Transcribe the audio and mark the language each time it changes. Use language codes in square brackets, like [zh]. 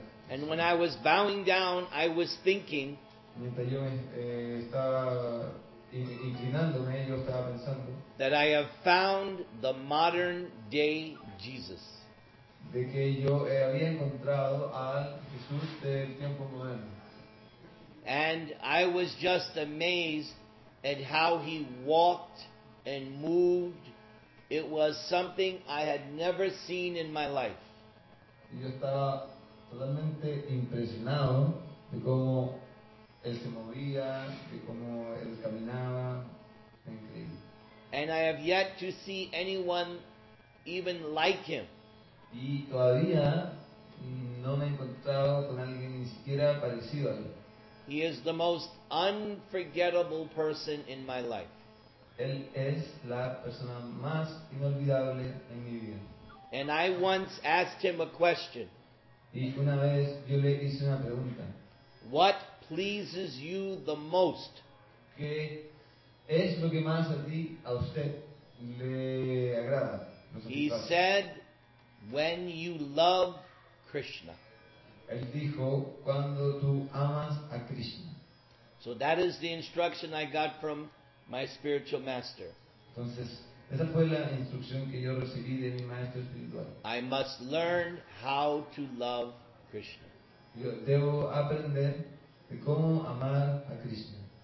[en] And when I was bowing down, I was thinking, [es] mientras yo estaba inclinándome, yo estaba pensando, [en] that I have found the modern day Jesus. [es] De que yo había encontrado al Jesús del tiempo moderno. [en] And I was just amazed at how he walked and moved. It was something I had never seen in my life. [es] Yo estaba totalmente impresionado de cómo él se movía, de cómo él caminaba, increíble. [en] And I have yet to see anyone even like him. [es] Y todavía no me he encontrado con alguien ni siquiera parecido a él. [en] He is the most unforgettable person in my life. [es] Él es la persona más inolvidable en mi vida. [en] And I once asked him a question. [es] Y una vez yo le hice una pregunta. [en] What pleases you the most? [es] ¿Qué es lo que más a usted le agrada? [en] He said, when you love Krishna. [es] Él dijo, cuando tú amas a Krishna. [en] So that is the instruction I got from my spiritual master. [es] Entonces, esa fue la instrucción que yo recibí de mi maestro espiritual. [en] I must learn how to love Krishna. [es] Yo debo aprender de cómo amar a Krishna.